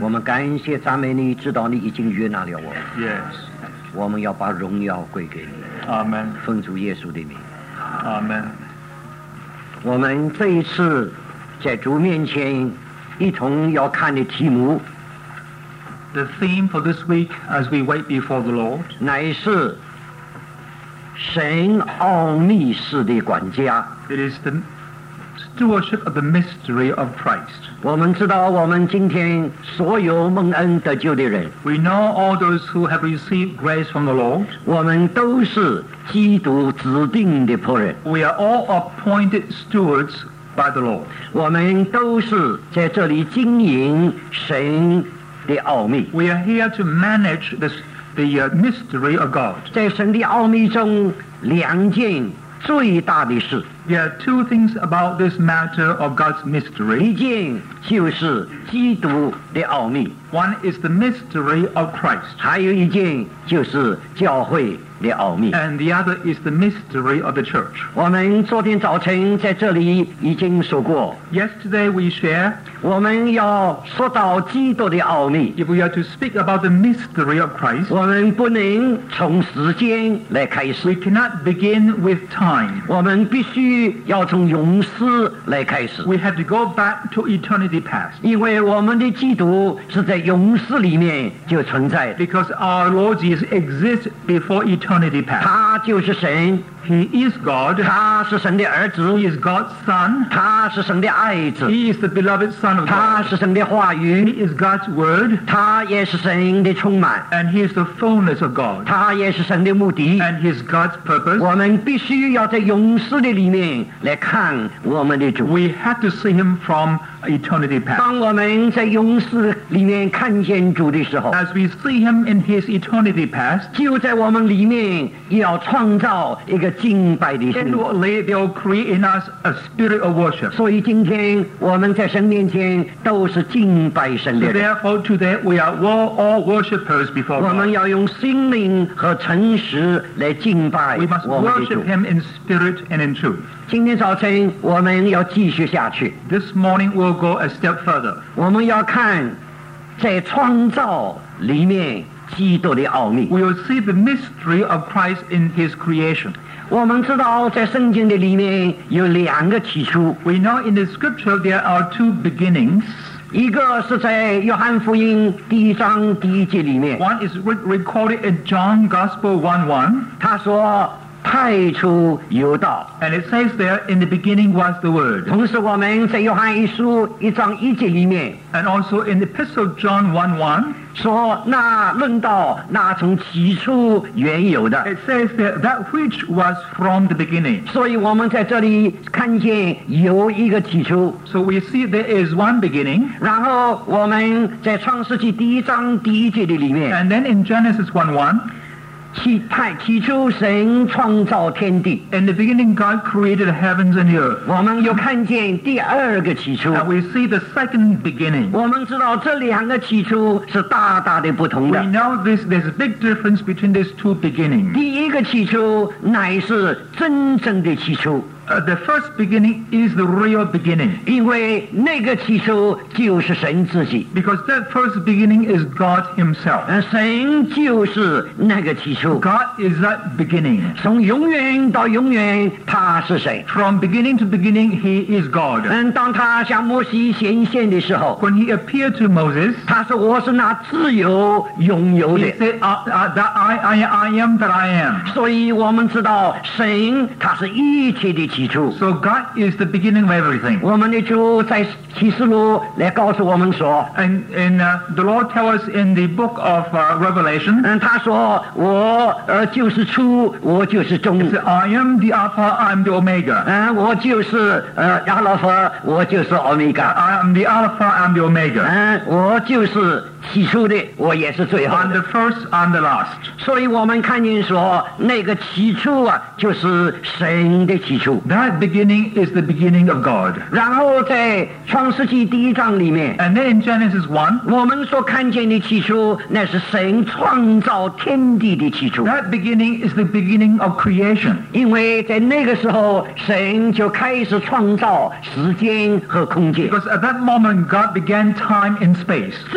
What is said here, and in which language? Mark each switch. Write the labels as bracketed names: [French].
[Chinese] 我们感谢赞美你，知道你已经悦纳了我们。 [English] Yes。 [Chinese] 我们要把荣耀归给你。 [English] Amen。 [Chinese] 奉主耶稣的名。 [English] Amen。 [Chinese] 我们这一次在主面前一同要看的题目， [English] The theme for this week as we wait before the Lord， [Chinese] 乃是神奥秘式的管家。 [English] It is theStewardship of the mystery of Christ. [Chinese] 我们知道我们今天所有蒙恩得救的人， [English] We know all those who have received grace from the Lord. [Chinese] 我们都是基督指定的仆人， [English] We are all appointed stewards by the Lord. [Chinese] 我们都是在这里经营神的奥秘， [English] We are here to manage the mystery of God. [Chinese] 在神的奥秘中两件最大的事， [English] There are two things about this matter of God's mystery. [Chinese] 一件就是基督的奥秘， [English] One is the mystery of Christ. [Chinese] 还有一件就是教会的奥秘， [English] And the other is the mystery of the church. [Chinese] 我们昨天早晨在这里已经说过， [English] Yesterday we share. [Chinese] 我们要说到基督的奥秘， [English] If we are to speak about the mystery of Christ. [Chinese] 我们不能从时间来开始， [English] We cannot begin with time. [Chinese] 我们必须要从永世来开始， [English] We have to go back to eternity. [Chinese] 因为我们的基督是在永世里面就存在的， [English] Because our Lord Jesus exists before eternity past. [Chinese] 他就是神， [English] He is God. [Chinese] 他是神的儿子， [English] He is God's son. [Chinese] 他是神的爱子， [English] He is the beloved son of God. [Chinese] 他是神的话语， [English] He is God's word. [Chinese] 他也是神的充满， [English] And He is the fullness of God. [Chinese] 他也是神的目的， [English] And He is God's purpose. [Chinese] 我们必须要在永世的里面来看我们的主， [English] We have to see Him from eternity past. [Chinese] 当我们在永世里面看见主的时候， [English] As we see Him in His eternity past, [Chinese] 就在我们里面要创造一个敬拜的心。 [English] Inwardly, they will create in us a spirit of worship. [Chinese] 所以今天我们在神面前都是敬拜神的人。 [English] So therefore, today we are all worshippers before God. [Chinese] 我们要用心灵和诚实来敬拜我们的主。 [English] We must worship Him in spirit and in truth. [Chinese] 今天早晨我们要继续下去。 [English] This morning we'll go a step further. [Chinese] 我们要看在创造里面基督的奥秘。 [English] We will see the mystery of Christ in His creation. [Chinese] 我们知道在圣经的里面有两个起初。 [English] We know in the scripture there are two beginnings. [Chinese] 一个是在约翰福音第一章第一节里面。 [English] One is recorded in John Gospel 1:1. [Chinese] 他说太初有道， [English] And it says there in the beginning was the word. [Chinese] 同时我们在约翰一书一章一节里面， [English] And also in the epistle John 1:1, [Chinese] 说那论道那从起初原有的， [English] It says there that which was from the beginning. [Chinese] 所以我们在这里看见有一个起初， [English] So we see there is one beginning. [Chinese] 然后我们在创世纪第一章第一节的里面， [English] And then in Genesis 1:1, [Chinese] 起初神创造天地。 [English] In the beginning God created the heavens and the earth. [Chinese] 我们又看见第二个起初。 [English] And we see the second beginning. [Chinese] 我们知道这两个起初是大大的不同的。 [English] We know there's a big difference between these two beginnings. [Chinese] 第一个起初乃是真正的起初。 [English] The first beginning is the real beginning. [Chinese] 因为那个起初就是神自己。 [English] Because that first beginning is God himself. [Chinese] 神就是那个起初。 [English] God is that beginning. [Chinese] 从永远到永远他是谁。 [English] From beginning to beginning he is God. [Chinese] 当他向摩西显现的时候， [English] When he appeared to Moses, [Chinese] 他说我是那自由拥有的。 [English] He said that I am that I am. [Chinese] 所以我们知道神他是一切的起初。基础。 [English] So God is the beginning of everything. [Chinese] 我们的主在启示录来告诉我们说, [English] the Lord tells us in the book of Revelation, [Chinese] 他说, 我就是初, 我就是终, [English] he said, I am the Alpha, I am the Omega. [Chinese] 我就是, Alpha, 我就是 Omega. [English] I am the Alpha, I am the Omega. [Chinese] 我就是 起初的, 我也是最后的, [English] I'm the first, I'm the last. [Chinese] 所以我们看见说, 那个起初啊, 就是神的起初。 [English] That beginning is the beginning of God. [Chinese] 然后在创世纪第一章里面, [English] and then in Genesis 1, [Chinese] 我们所看见的起初, 那是神创造天地的起初。 [English] That beginning is the beginning of creation. [Chinese] 因为在那个时候, 神就开始创造时间和空间。 [English] Because at that moment, God began time and space.